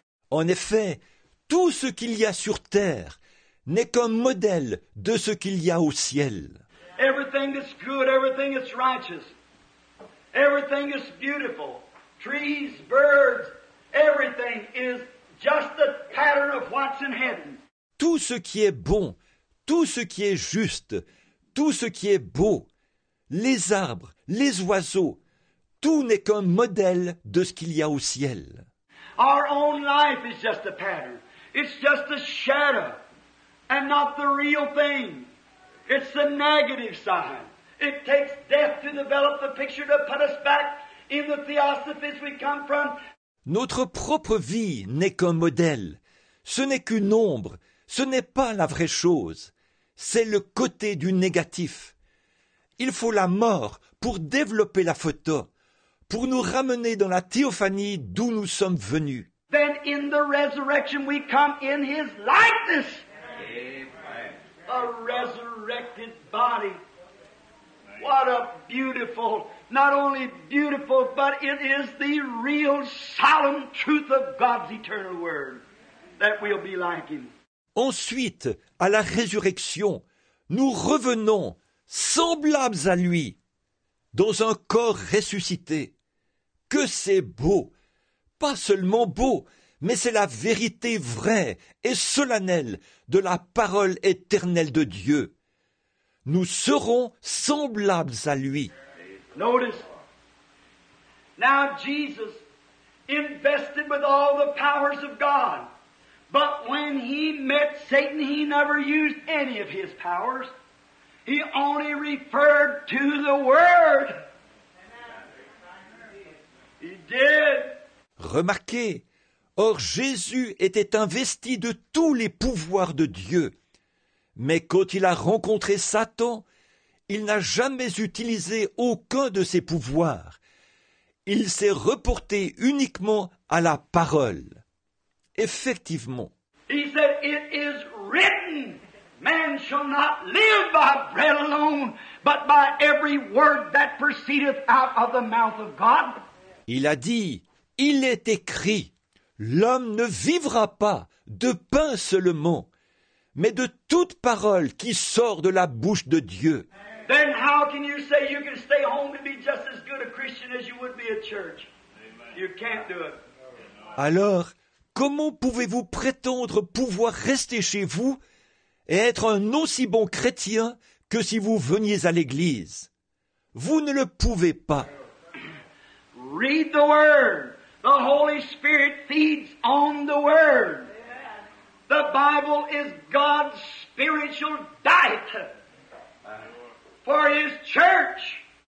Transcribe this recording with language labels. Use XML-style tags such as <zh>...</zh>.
<fr>En effet, tout ce qu'il y a sur terre n'est qu'un modèle de ce qu'il y a au ciel.</fr> <en>Everything is good, everything is righteous, everything is beautiful, trees, birds, everything is just the pattern of what's in heaven.</en> <fr>Tout ce qui est bon, tout ce qui est juste, tout ce qui est beau, les arbres, les oiseaux, tout n'est qu'un modèle de ce qu'il y a au ciel.</fr> <en>Our own life is just a pattern. It's just a shadow and not the real thing. It's the negative side. It takes death to develop the picture to put us back in the theosophies we come from.</en> <fr>Notre propre vie n'est qu'un modèle. Ce n'est qu'une ombre. Ce n'est pas la vraie chose, c'est le côté du négatif. Il faut la mort pour développer la photo, pour nous ramener dans la théophanie d'où nous sommes venus.</fr> <en>Then in the resurrection we come in his likeness. A resurrected body. What a beautiful, not only beautiful, but it is the real solemn truth of God's eternal word that we'll be like him.</en> <fr>Ensuite, à la résurrection, nous revenons, semblables à lui, dans un corps ressuscité. Que c'est beau! Pas seulement beau, mais c'est la vérité vraie et solennelle de la parole éternelle de Dieu. Nous serons semblables à lui.</fr> <en>Notice, now Jesus, invested with all the powers of God. But when he met Satan, he never used any of his powers. He only referred to the Word. He did.</en> <fr>Remarquez, or Jésus était investi de tous les pouvoirs de Dieu. Mais quand il a rencontré Satan, il n'a jamais utilisé aucun de ses pouvoirs. Il s'est reporté uniquement à la parole. Effectivement.</fr> <en>He said, it is written, man shall not live by bread alone, but by every word that proceedeth out of the mouth of God.</en> <fr>Il a dit, Il est écrit, l'homme ne vivra pas de pain seulement, mais de toute parole qui sort de la bouche de Dieu.</fr> <en>Then how can you say you can stay home and be just as good a Christian as you would be at church? You can't do it.</en> <fr>Alors, comment pouvez-vous prétendre pouvoir rester chez vous et être un aussi bon chrétien que si vous veniez à l'église? Vous ne le pouvez pas.</fr> <en>Read the word. The Holy Spirit feeds on the word. The Bible is God's spiritual diet for his church.</en>